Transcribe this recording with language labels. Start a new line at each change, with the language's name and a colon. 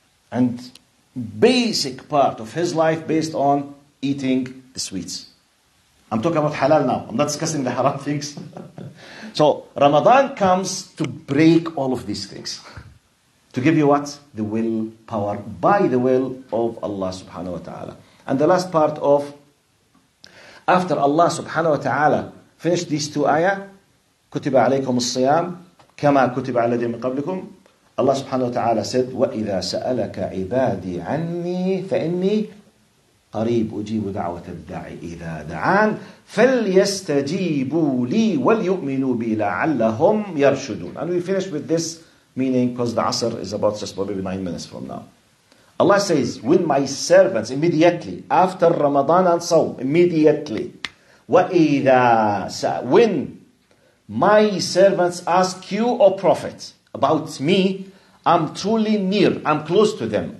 English: And basic part of his life based on eating the sweets. I'm talking about halal now. I'm not discussing the haram things. So Ramadan comes to break all of these things. To give you what? The will power by the will of Allah subhanahu wa ta'ala. And the last part of, after Allah subhanahu wa ta'ala finished these two ayah,
Arabic: كُتِبَ عَلَيْكُمُ الصِّيَامِ كَمَا كُتِبَ عَلَى الَّذِينَ مِنْ قَبْلِكُمْ,
English: Allah subhanahu wa ta'ala said,
Arabic: وَإِذَا سَأَلَكَ عِبَادِي عَنِّي فَإِنِّي قَرِيبُ أُجِيبُ دَعْوَةَ الدَّاعِ إِذَا دَعَانْ فَلْيَسْتَجِيبُوا لِي وَلْيُؤْمِنُوا بِي لَعَلَّهُمْ يَرْشُدُونَ.
English: And we finish with this meaning, because the Asr is about just probably 9 minutes from now. Allah says, when my servants, immediately, after Ramadan and Sawm, immediately, when my servants ask you, O Prophet, about me, I'm truly near, I'm close to them.